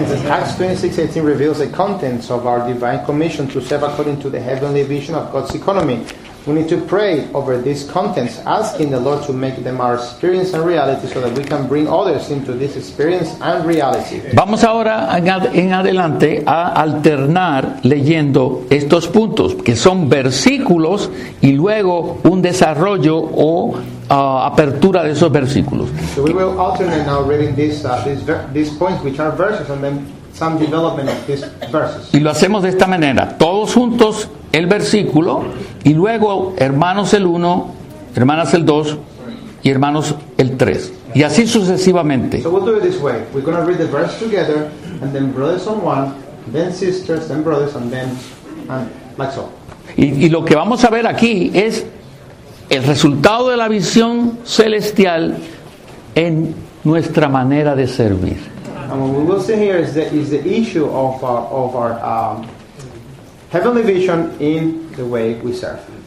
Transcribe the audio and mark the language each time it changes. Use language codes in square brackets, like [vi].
[en] Acts 26:18 reveals the contents of our divine commission to serve according to the heavenly vision of God's economy. We need to pray over these contents, asking the Lord to make them our experience and reality so that we can bring others into this experience and reality. [es] Vamos ahora en adelante a alternar leyendo estos puntos, que son versículos y luego un desarrollo o apertura de esos versículos. [en] So we will alternate now reading these points, which are verses, and then some development of these verses. [es] Y lo hacemos de esta manera, todos juntos el versículo, y luego hermanos el 1, hermanas el 2, y hermanos el 3, y así sucesivamente. [en] So we'll do it this way, we're going to read the verse together, and then brothers on one, then sisters, then brothers, and then, and like so. [es] Y lo que vamos a ver aquí es el resultado de la visión celestial en nuestra manera de servir. [en] And what we will see here is the issue of our heavenly vision in the way we serve.